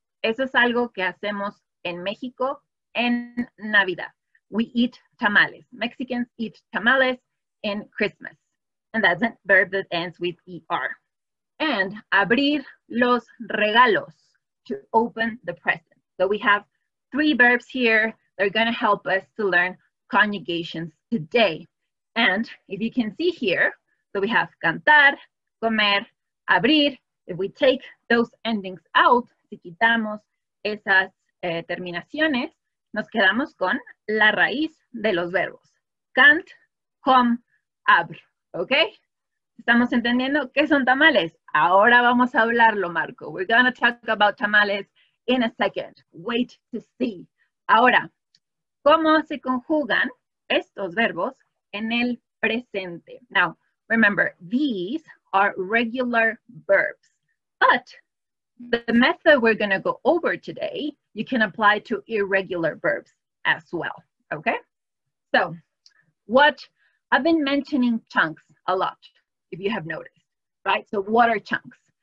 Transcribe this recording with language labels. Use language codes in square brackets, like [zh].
[es] Eso es algo que hacemos en México en Navidad. [en] We eat tamales. Mexicans eat tamales in Christmas. And that's a verb that ends with ER. And [es] abrir los regalos, [en] to open the present. So we have three verbs here. They're going to help us to learn conjugations today. And if you can see here, so we have cantar, comer, abrir. If we take those endings out, [es] si quitamos esas terminaciones, nos quedamos con la raíz de los verbos. Cant, com, abr. ¿Ok? ¿Estamos entendiendo qué son tamales? Ahora vamos a hablarlo, Marco. [en] We're going to talk about tamales in a second. Wait to see. [es] Ahora, ¿cómo se conjugan estos verbos en el presente? [en] Now, remember, these are regular verbs, but the method we're going to go over today, you can apply to irregular verbs as well, okay? So, what I've been mentioning chunks a lot, if you have noticed, right? So, what are chunks?